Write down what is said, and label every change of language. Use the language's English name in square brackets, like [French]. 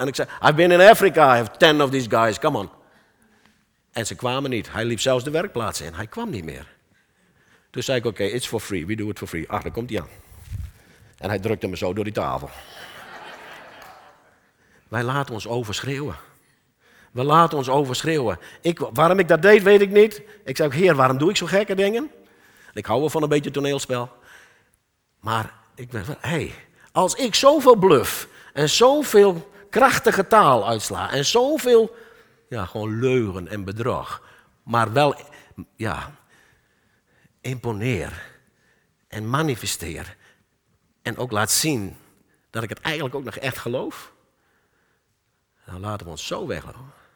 [Dutch] En ik zei, [English] I've been in Africa, I have 10 of these guys, come on. [Dutch] En ze kwamen niet. Hij liep zelfs de werkplaats in. Hij kwam niet meer. Toen zei ik, oké, [English] okay, it's for free, we do it for free. [Dutch] Ach, daar komt hij aan. En hij drukte me zo door die tafel. Wij laten ons overschreeuwen. We laten ons overschreeuwen. Waarom ik dat deed, weet ik niet. Ik zei, heer, waarom doe ik zo gekke dingen? Ik hou wel van een beetje toneelspel. Maar ik ben van, hey, als ik zoveel bluf en zoveel krachtige taal uitsla en zoveel, ja, gewoon leugen en bedrog, maar wel, ja, imponeer en manifesteer en ook laat zien dat ik het eigenlijk ook nog echt geloof, dan laten we ons zo weglopen.